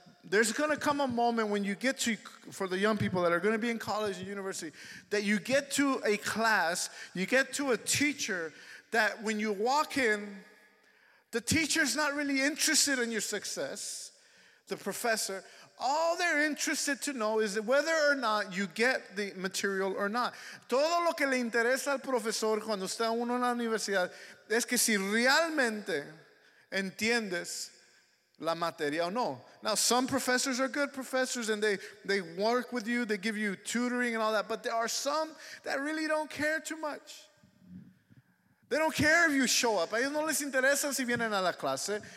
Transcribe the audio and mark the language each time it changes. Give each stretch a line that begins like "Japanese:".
English: There's going to come a moment when you get to, for the young people that are going to be in college and university, that you get to a class, you get to a teacher that when you walk in, the teacher's not really interested in your success, the professor. All they're interested to know is whether or not you get the material or not.
Spanish: Todo lo que le interesa al profesor cuando está uno en la universidad es que si realmente entiendes la materia o no.
English: Now, some professors are good professors and they work with you, they give you tutoring and all that, but there are some that really don't care too much. They don't care if you show up.
Spanish: A ellos no les interesa si vienen a la clase.